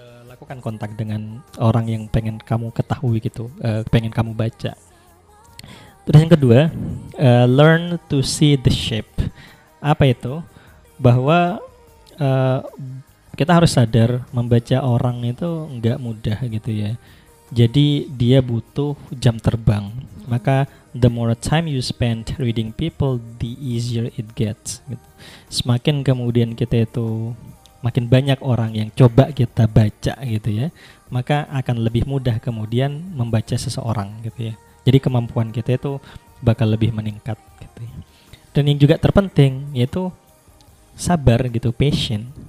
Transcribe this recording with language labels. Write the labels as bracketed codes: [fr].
[id] Lakukan kontak dengan orang yang pengen kamu ketahui gitu, pengen kamu baca. Terus yang kedua, [en] learn to see the shape. [id] Apa itu? Bahwa kita harus sadar membaca orang itu nggak mudah gitu ya. Jadi dia butuh jam terbang. Maka [en] the more time you spend reading people, the easier it gets. [id] Gitu. Semakin kemudian kita itu makin banyak orang yang coba kita baca gitu ya, maka akan lebih mudah kemudian membaca seseorang gitu ya. Jadi kemampuan kita itu bakal lebih meningkat gitu ya. Dan yang juga terpenting yaitu sabar gitu, patient.